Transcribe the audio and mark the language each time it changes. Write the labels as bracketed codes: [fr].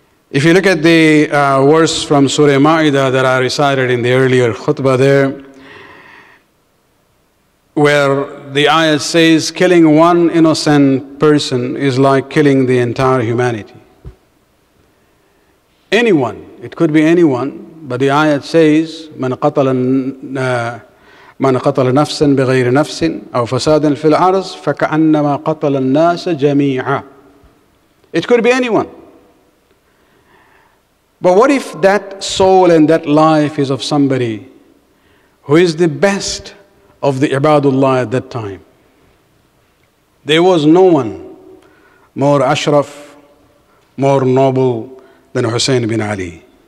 [en] If you look at the verse from Surah Ma'idah that I recited in the earlier khutbah there, where the ayah says, killing one innocent person is like killing the entire humanity. Anyone, it could be anyone, but the ayah says, [ar] من قتل نفسا بغير نفس أو فسادا في الأرض فكأنما قتل الناس جميعا. [en] It could be anyone. But what if that soul and that life is of somebody who is the best of the Ibadullah at that time? There was no one more ashraf, more noble than Hussein bin Ali.